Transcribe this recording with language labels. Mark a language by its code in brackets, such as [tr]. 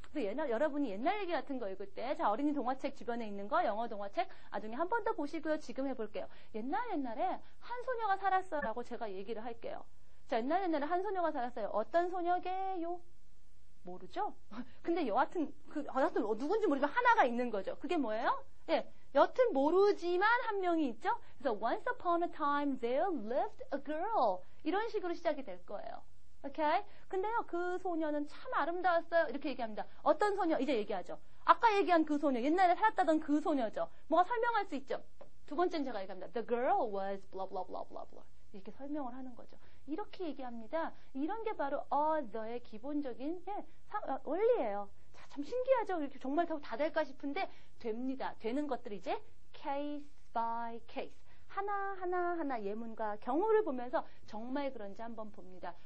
[ko] 여러분이 옛날 얘기 같은 거 읽을 때 자, 어린이 동화책 주변에 있는 거 영어 동화책 나중에 한 번 더 보시고요. 지금 해볼게요. 옛날에 한 소녀가 살았어라고 제가 얘기를 할게요. 자, 옛날에 한 소녀가 살았어요. 어떤 소녀게요? 모르죠? 근데 여하튼 여하튼 누군지 모르지만 하나가 있는 거죠. 그게 뭐예요? 예, 여튼 모르지만 한 명이 있죠. [en] 그래서 Once upon a time there lived a girl [ko] 이런 식으로 시작이 될 거예요. [en] Okay? [ko] 근데요, 그 소녀는 참 아름다웠어요. 이렇게 얘기합니다. 어떤 소녀? 이제 얘기하죠. 아까 얘기한 그 소녀, 옛날에 살았다던 그 소녀죠. 뭐가 설명할 수 있죠? 두 번째는 제가 얘기합니다. [en] The girl was blah blah blah blah blah. [ko] 이렇게 설명을 하는 거죠. 이렇게 얘기합니다. 이런 게 바로 the의 기본적인 원리예요. 참 신기하죠? 이렇게 정말 다 될까 싶은데, 됩니다. 되는 것들이 이제 case by case. 하나하나하나 예문과 경우를 보면서 정말 그런지 한번 봅니다.